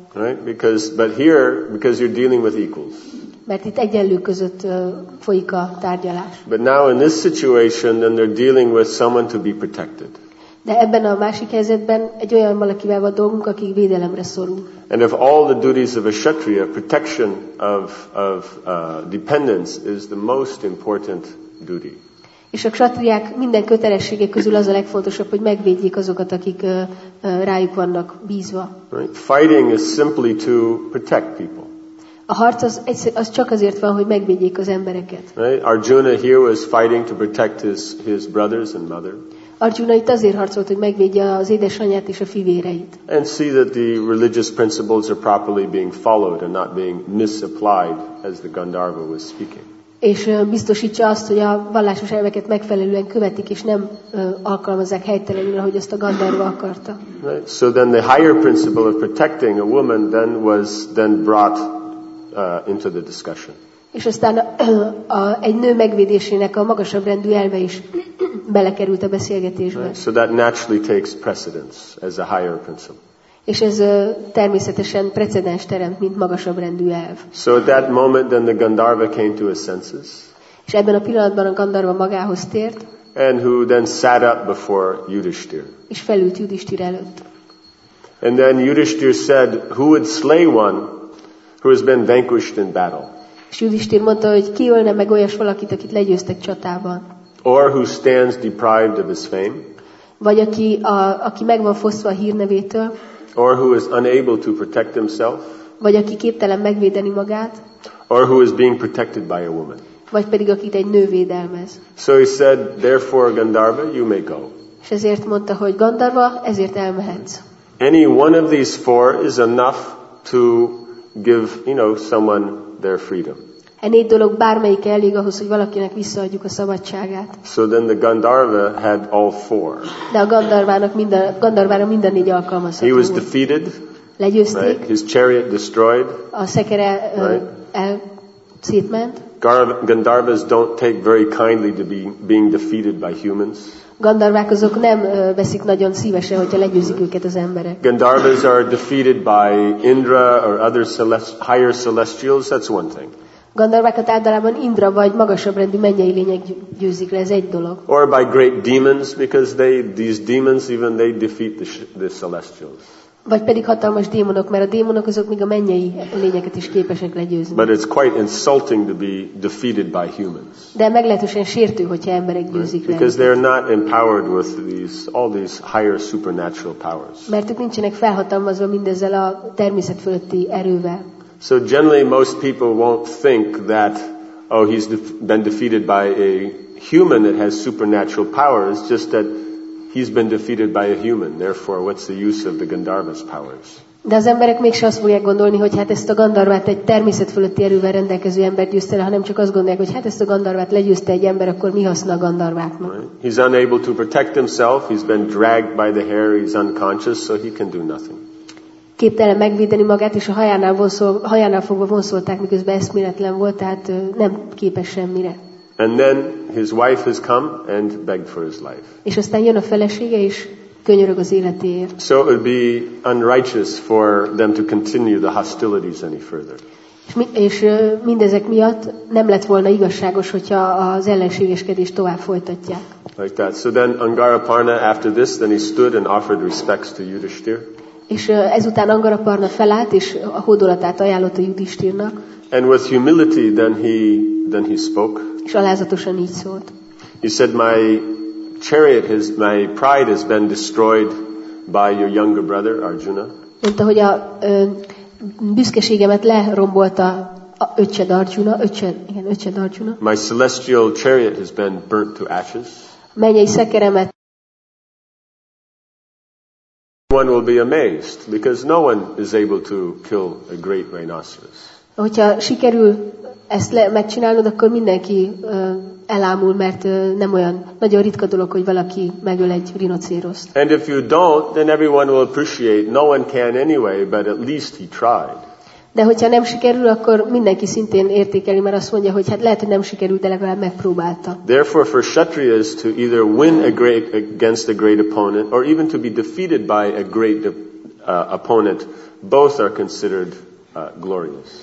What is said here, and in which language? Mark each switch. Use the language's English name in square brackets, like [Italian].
[English] Right, because you're dealing with equals. [Hungarian] Mert itt egyenlők között folyik a tárgyalás. [English] But now in this situation, then they're dealing with someone to be protected. [Hungarian] De ebben a másik helyzetben egy olyan valakivel van dolgunk, aki védelemre szorul. [English] And if all the duties of a kshatriya, protection of dependence is the most important duty. [Hungarian] És a kshatriák minden kötelessége közül az a legfontosabb, hogy megvédjék azokat, akik rájuk vannak bízva. [English] Right? Fighting is simply to protect people. [Hungarian] A harc az csak azért van, hogy megvédjék az embereket. [English] Right? Arjuna here was fighting to protect his brothers and mother. [Hungarian] Arjuna itt azért harcolt, hogy megvédje az édesanyját és a fivéreit. [English] And see that the religious principles are properly being followed and not being misapplied as the Gandharva was speaking. [Hungarian] És biztosítsa azt, hogy a vallásos elveket megfelelően követik és nem alkalmazzák helytelenül, ahogy azt a Gandharva akarta. [English] Right. So then the higher principle of protecting a woman then was brought into the discussion. [Hungarian] És aztán egy nő megvédésének a magasabb rendű elve is belekerült a beszélgetésbe. [English] Right. So that naturally takes precedence as a higher principle. [Hungarian] És ez természetesen precedens teremt, mint magasabb rendű elv. [English] So at that moment then the Gandharva came to his senses. [Hungarian] És ebben a pillanatban a Gandharva magához tért. [English] And who then sat up before Yudhishthir. [Hungarian] És felült Yudhishthir előtt. [English] And then Yudhishthir said, who would slay one who has been vanquished in battle? [Hungarian] És Yudhishthir mondta, hogy ki ölne meg olyas valakit, akit legyőztek csatában. [English] Or who stands deprived of his fame. [Hungarian] Vagy aki, aki meg van fosztva a hírnevétől. [English] Or who is unable to protect himself. [Hungarian] Vagy aki képtelen megvédeni magát. [English] Or who is being protected by a woman. [Hungarian] Vagy pedig akit egy nő védelmez. [English] So he said, therefore, Gandharva, you may go. [Hungarian] És ezért mondta, hogy Gandharva, ezért elmehetsz. [English] Any one of these four is enough to give, you know, someone their freedom. [Hungarian] E négy dolog bármelyik elég ahhoz, hogy valakinek visszaadjuk a szabadságát. [English] So then the Gandharva had all four. [Hungarian] De a Gandharvának minden, Gandharvára mind a négy alkalmazható. [English] He was defeated. [Hungarian] Legyőzték. [English] Right? His chariot destroyed. [Hungarian] A szekere szétment. [English] Gandharvas don't take very kindly to being defeated by humans. [Hungarian] Gandharvák azok nem veszik nagyon szívesen, hogyha legyőzik őket az emberek. [English] Gandharvas are defeated by Indra or other higher celestials. That's one thing. [Hungarian] Gandharvákat általában Indra vagy magasabb rendű mennyei lények győzik le, ez egy dolog. [English] Or by great demons, because these demons even they defeat the celestials. [Hungarian] Vagy pedig hatalmas démonok, mert a démonok azok még a mennyei lényeket is képesek legyőzni. [English] But it's quite insulting to be defeated by humans. [Hungarian] De meglehetősen sértő, hogyha emberek győzik le. [English] Because they're not empowered with all these higher supernatural powers. [Hungarian] Mert ők nincsenek felhatalmazva mindezzel a természet fölötti erővel. [English] So generally most people won't think that, oh, he's been defeated by a human that has supernatural powers, just that he's been defeated by a human, therefore what's the use of the Gandharva's powers? [Hungarian] De az emberek mégse azt fogják gondolni, hogy hát ezt a Gandharvát egy természet fölötti erővel rendelkező ember győzte le, hanem csak azt gondolják, hogy hát ezt a Gandharvát legyőzte egy ember, akkor mi haszna a Gandharváknak? [English] Right. He's unable to protect himself, he's been dragged by the hair, he's unconscious, so he can do nothing. [Hungarian] Képtelen megvédeni magát, és a hajánál fogva vonszolták, miközben eszméletlen volt, tehát nem képes semmire. [English] And then his wife has come and begged for his life. [Hungarian] És aztán jön a felesége, és könyörög az életéért. [English] So it would be unrighteous for them to continue the hostilities any further. [Hungarian] És mindezek miatt nem lett volna igazságos, hogyha az ellenségeskedést tovább folytatják. [English] Like that. So then Angaraparna after this, then he stood and offered respects to Yudhishthir. [Hungarian] És ezután Angaraparna felállt, és a hódolatát ajánlott a Yudhishthirnak. [English] And with humility, then he spoke. [Hungarian] És alázatosan így szólt. [English] He said, my pride has been destroyed by your younger brother, Arjuna. [Hungarian] Mondta, hogy a büszkeségemet lerombolta a öcsed Arjuna, öcsed Arjuna. [English] My celestial chariot has been burnt to ashes. [Hungarian] Mennyei szekeremet. [English] One will be amazed because no one is able to kill a great rhinoceros. [Hungarian] Hogyha sikerül ezt megcsinálnod, akkor mindenki elámul, mert nem olyan nagyon ritka dolog, hogy valaki megöl egy rinocéroszt. [English] And if you don't, then everyone will appreciate. No one can anyway, but at least he tried. [Hungarian] De hogyha nem sikerül, akkor mindenki szintén értékeli, mert azt mondja, hogy hát lehet, hogy nem sikerült, de legalább megpróbálta. [English] Therefore for Kshatriyas to either win a great against a great opponent or even to be defeated by a great opponent, both are considered glorious.